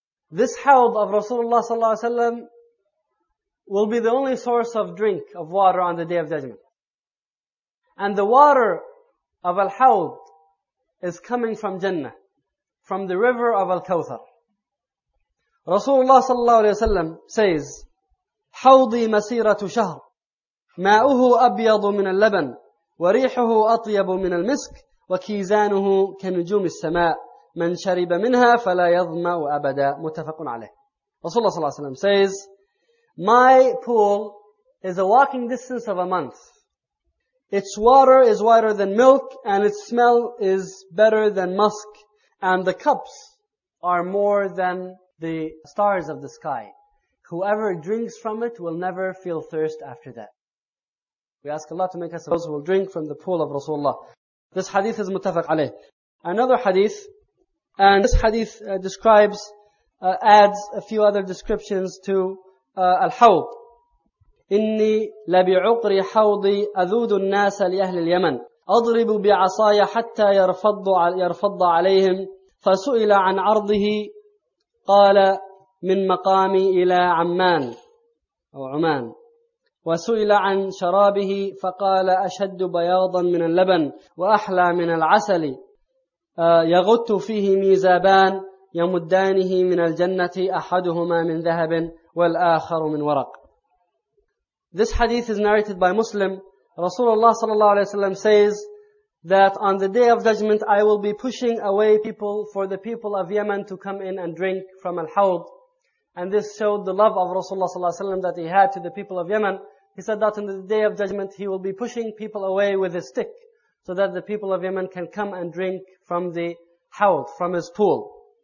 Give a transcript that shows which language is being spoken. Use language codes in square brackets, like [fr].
[en] This Hawd of Rasulullah sallallahu alayhi wa sallam will be the only source of drink, of water on the Day of Judgment. And the water of Al-Hawd is coming from Jannah, from the river of Al-Kawthar. Rasulullah sallallahu alayhi wa sallam says, [ar] حوضي مسيرة شهر ماءه أبيض من اللبن وريحه أطيب من المسك وكيزانه كنجوم السماء من شرب منها فلا يظمأ أبدا متفق عليه. [en] Rasulullah sallallahu alayhi wa sallam says, my pool is a walking distance of a month. Its water is whiter than milk, and its smell is better than musk, and the cups are more than the stars of the sky. Whoever drinks from it will never feel thirst after that. We ask Allah to make us those who will drink from the pool of Rasulullah. This hadith is mutafaq alayh. Another hadith, and this hadith adds a few other descriptions to al-hawd. [ar] إني لبعقر حوضي أذود الناس لأهل اليمن أضرب بعصاي حتى يرفض عليهم فسئل عن عرضه قال من مقامي إلى عمان أو عمان وسئل عن شرابه فقال أشد بياضا من اللبن وأحلى من العسل يغط فيه ميزابان يمدانه من الجنة أحدهما من ذهب والآخر من ورق. [en] This hadith is narrated by Muslim. Rasulullah sallallahu alayhi wa sallam says that on the Day of Judgment, I will be pushing away people for the people of Yemen to come in and drink from Al-Hawd. And this showed the love of Rasulullah sallallahu alayhi wa sallam that he had to the people of Yemen. He said that on the Day of Judgment, he will be pushing people away with a stick so that the people of Yemen can come and drink from the Hawd, from his pool.